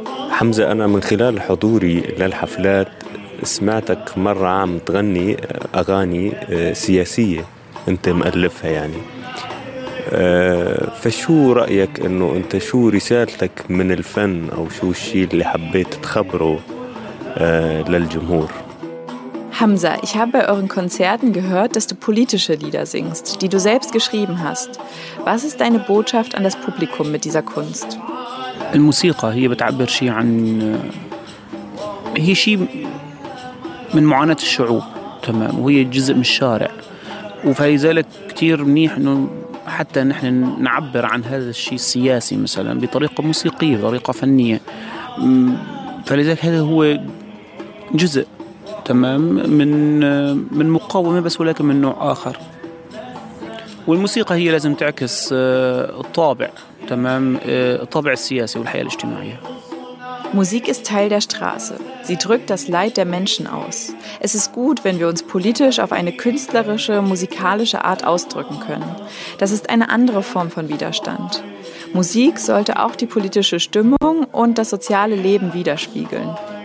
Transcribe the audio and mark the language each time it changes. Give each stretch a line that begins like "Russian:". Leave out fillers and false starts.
Arabic: حمزة أنا من خلال حضوري للحفلات سمعتك مرة عم تغني أغاني سياسية أنت مألفها يعني فشو رأيك أنه أنت شو رسالتك من الفن أو شو الشيء اللي حبيت تخبره للجمهور
German: Hamza, ich habe bei euren Konzerten gehört, dass du politische Lieder singst, die du selbst geschrieben hast. Was ist deine Botschaft an das Publikum mit dieser Kunst?
Arabic: الموسيقى هي بتعبر شيء عن هي شيء من معاناة الشعوب تمام وهي جزء من الشارع وفلذلك كتير منيح إنه حتى نحن نعبر عن هذا الشيء السياسي مثلا بطريقة موسيقية بطريقة فنية فلذلك هذا هو جزء تمام من مقاومة بس ولكن من نوع آخر والموسيقى هي لازم تعكس الطابع تمام الطابع السياسي والحياة الاجتماعية
German: Musik ist Teil der Straße. Sie drückt das Leid der Menschen aus. Es ist gut, wenn wir uns politisch auf eine künstlerische, musikalische Art ausdrücken können. Das ist eine andere Form von Widerstand. Musik sollte auch die politische Stimmung und das soziale Leben widerspiegeln.